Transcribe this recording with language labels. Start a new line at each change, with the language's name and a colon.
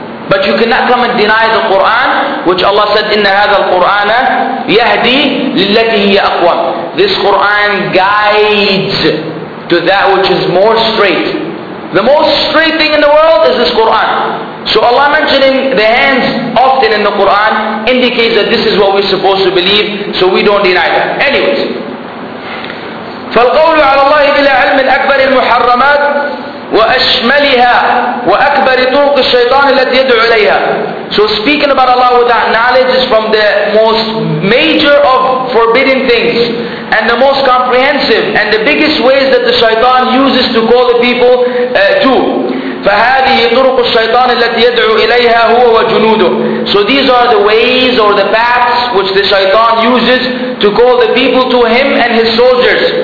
English: But you cannot come and deny the Quran, which Allah said,
Arabic: "Inna hadha al-Quran yahdi lillati hiya aqwam."
English: This Quran guides to that which is more straight. The most straight thing in the world is this Quran. So Allah mentioning the hands often in the Quran indicates that this is what we're supposed to believe. So we don't deny that.
Arabic: Anyways, فالقول على الله بلا علم أكبر المحرمات وأشملها وأكبر طرق الشيطان التي يدعو إليها.
English: So speaking about Allah without knowledge is from the most major of forbidden things, and the most comprehensive, and the biggest ways that the shaitan uses to call the people to.
Arabic: فهذه طرق الشيطان التي يدعو إليها هو وجنوده.
English: So these are the ways or the paths which the shaitan uses to call the people to him and his soldiers.